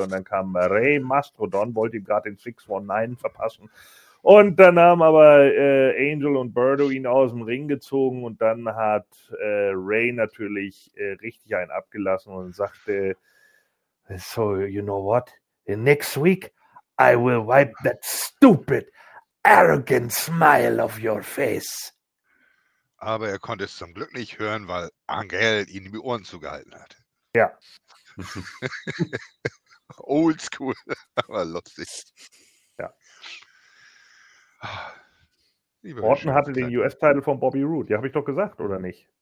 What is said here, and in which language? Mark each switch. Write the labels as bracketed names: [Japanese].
[German] Und dann kam Rey Mastodon, wollte ihm gerade den 619 verpassen. Und dann haben aber Angel und Birdo ihn aus dem Ring gezogen und dann hat Ray natürlich richtig einen abgelassen und sagte, [English] so, you know what? The next week I will wipe that stupid, arrogant smile off your face. [German] Aber er konnte es zum Glück nicht hören, weil Angel ihn in die Ohren zugehalten hat. Ja. Old school, aber lustig. Ja. Orton hatte den US-Title von Bobby Roode. Ja, habe ich doch gesagt, oder nicht?